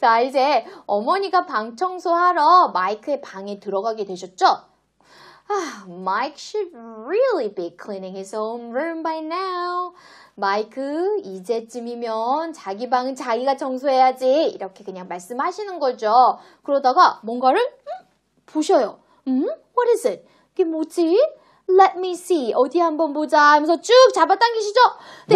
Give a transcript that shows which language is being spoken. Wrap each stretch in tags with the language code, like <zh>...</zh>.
<ko>자, 이제 어머니가 방 청소하러 마이크의 방에 들어가게 되셨죠?</ko> <en>Mike should really be cleaning his own room by now.</en> <ko>마이크, 이제쯤이면 자기 방은 자기가 청소해야지. 이렇게 그냥 말씀하시는 거죠. 그러다가 뭔가를 보셔요.</ko> <en>What is it?</en> <ko>그게 뭐지?</ko> <en>Let me see.</en> <ko>어디 한번 보자 하면서 쭉 잡아당기시죠? 네,</ko>